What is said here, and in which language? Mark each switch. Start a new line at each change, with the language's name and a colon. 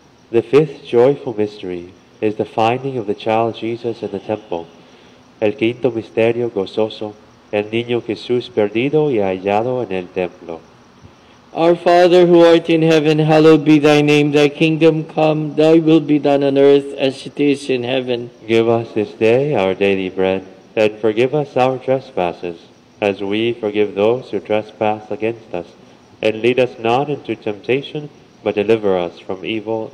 English: The fifth joyful mystery is the finding of the child Jesus in the temple.
Spanish: El quinto misterio gozoso, el niño Jesús perdido y hallado en el templo.
English: Our Father, who art in heaven, hallowed be thy name. Thy kingdom come, thy will be done on earth as it is in heaven. Give us this day our daily bread, and forgive us our trespasses, as we forgive those who trespass against us. And lead us not into temptation, but deliver us from evil.